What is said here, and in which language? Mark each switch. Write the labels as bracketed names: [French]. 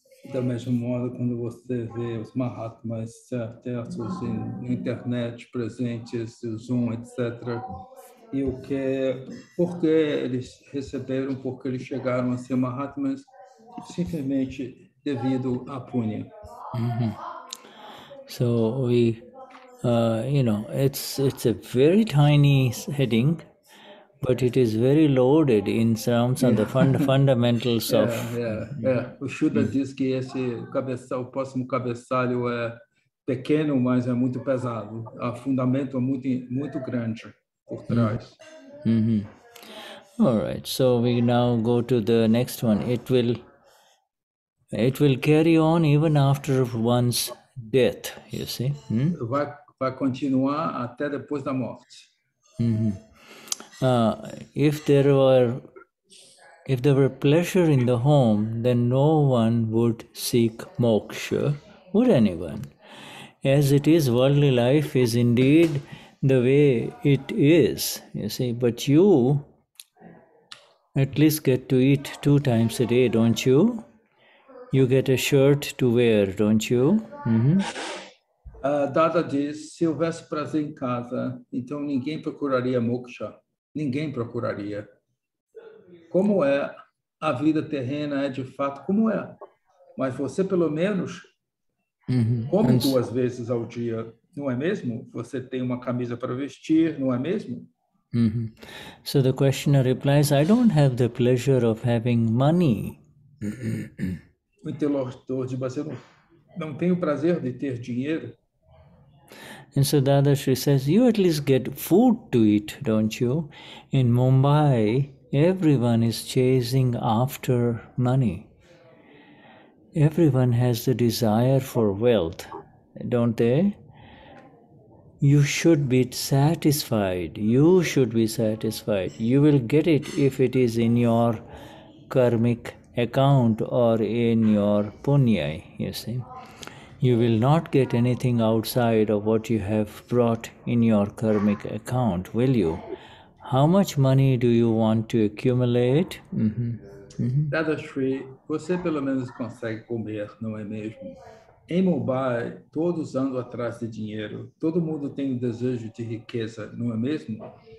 [Portuguese] Da mesma modo, quando você vê os Mahatmas certos na internet, presentes, o Zoom, etc., e o que é, por que eles receberam, por que eles chegaram a ser Mahatmas, simplesmente devido à punha. [English] So it's a very tiny heading, but it is very loaded in terms of the fundamentals of. [Portuguese] O Shuddha diz que o próximo cabeçalho é pequeno, mas é muito pesado. O fundamento é muito, muito grande por trás. [English] All right, so we now go to the next one. It will carry on even after one's death, you see. [Portuguese] Vai vai continuar até depois da morte. [English] If there were pleasure in the home, then no one would seek moksha, would anyone? As it is, worldly life is indeed the way it is, you see. But you at least get to eat two times a day, don't you? You get a shirt to wear, don't you? [Portuguese] Dada diz, se houvesse prazer em casa, então ninguém procuraria moksha. Ninguém procuraria. Como é, a vida terrena é de fato como é. Mas você, pelo menos, come duas vezes ao dia, não é mesmo? Você tem uma camisa para vestir, não é mesmo? [English] So the questioner replies, I don't have the pleasure of having money. [Portuguese] O interlocutor diz, mas eu não tenho prazer de ter dinheiro. [English] And so Dadashri says, you at least get food to eat, don't you? In Mumbai, everyone is chasing after money. Everyone has the desire for wealth, don't they? You should be satisfied. You should be satisfied. You will get it if it is in your karmic account or in your punya, you see. You will not get anything outside of what you have brought in your karmic account, will you? How much money do you want to accumulate? [Portuguese] Dadashri, você pelo menos consegue comer, não é mesmo? Em Mumbai, todos andam atrás de dinheiro. Todo mundo tem um desejo de riqueza, não é mesmo?